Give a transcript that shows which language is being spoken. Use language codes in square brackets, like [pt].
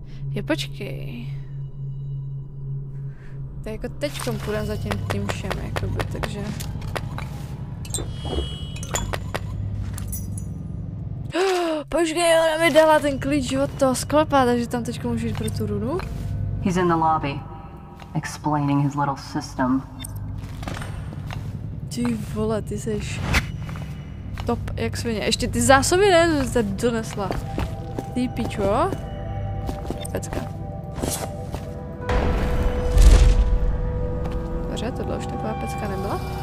[cs] Jo, počkej. To je jako teďkom půjdem za tím všem, jakoby, takže... Počkej, ona mi dala ten klíč od toho sklepa, takže tam teďko můžu jít pro tu runu. [en] He's in the lobby, explaining his little system. [cs] Ty vole, ty seš top jak svině. Ještě ty zásoby, ne, že jste donesla. Ty pičo. Pecka. Dobře, tohle už taková pecka nebyla.